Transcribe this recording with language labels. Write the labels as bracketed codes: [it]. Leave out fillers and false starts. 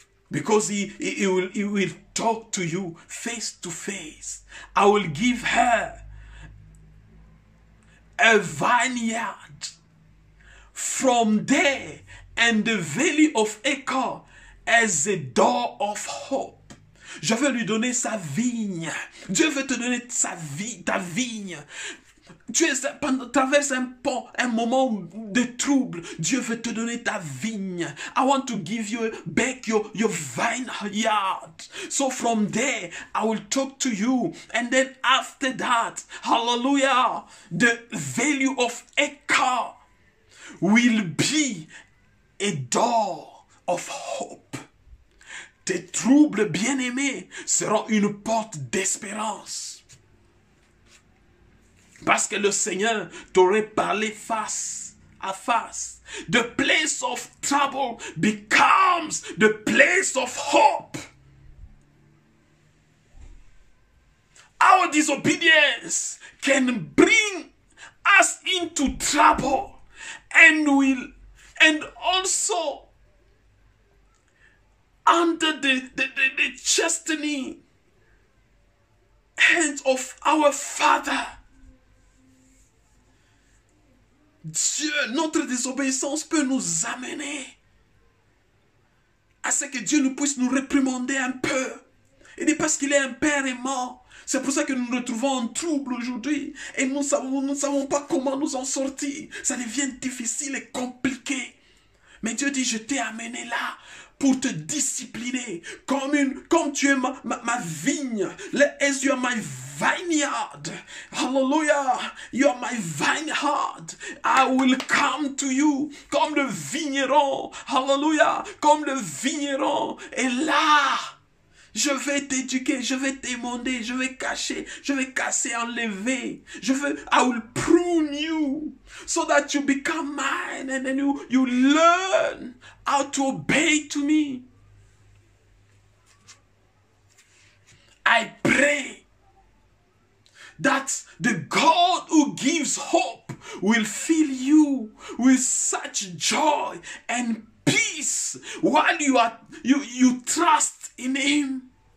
[en] Because he will talk to you face to face. I will give her a vineyard from there, and the valley of Achor as a door of hope. [fr] Je vais lui donner sa vigne. Dieu veut te donner sa vie, ta vigne. Tu traverses un pont, un moment de trouble. Dieu veut te donner ta vigne. [en] I want to give you back your vineyard. So from there, I will talk to you. And then after that, hallelujah, the value of Echo will be a door of hope. [fr] Tes troubles bien-aimés seront une porte d'espérance. Parce que le Seigneur t'aurait parlé face à face. [en] The place of trouble becomes the place of hope. Our disobedience can bring us into trouble and also under the chastening hands of our Father. [fr] Dieu, notre désobéissance peut nous amener à ce que Dieu nous puisse nous réprimander un peu. Et dit parce qu'il est un père aimant. C'est pour ça que nous nous retrouvons en trouble aujourd'hui. Et nous ne savons pas comment nous en sortir. Ça devient difficile et compliqué. Mais Dieu dit, je t'ai amené là pour te discipliner. Comme tu es ma vigne. [en] As you are my vineyard. Hallelujah. You are my vineyard. I will come to you [fr] comme le vigneron. [en] Hallelujah. [fr] Comme le vigneron. Et là, je vais t'éduquer, je vais t'émonder, je vais cacher, je vais casser, enlever. [en] I will prune you so that you become mine and then you learn how to obey to me. I pray that the God who gives hope will fill you with such joy and peace while you trust in Him.